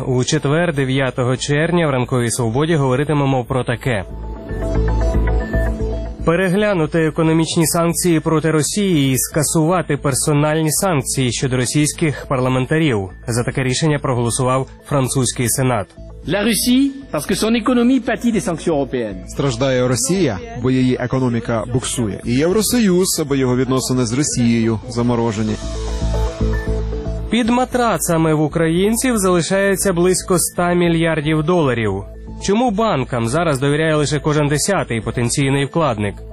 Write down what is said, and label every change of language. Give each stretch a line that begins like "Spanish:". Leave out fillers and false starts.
Ukrainian: У четвер, 9 червня, в «Ранковій свободі» говоритимемо про таке. Переглянути економічні санкції проти Росії і скасувати персональні санкції щодо російських парламентарів. За таке рішення проголосував французький сенат.
French: La Russie, parce que son économie pâtit des sanctions européennes.
Ukrainian: Страждає Росія, бо її економіка буксує. І Євросоюз, бо його відносини з Росією заморожені. Під матрацами в українців залишається близько 100 мільярдів доларів. Чому банкам зараз довіряє лише кожен десятий потенційний вкладник?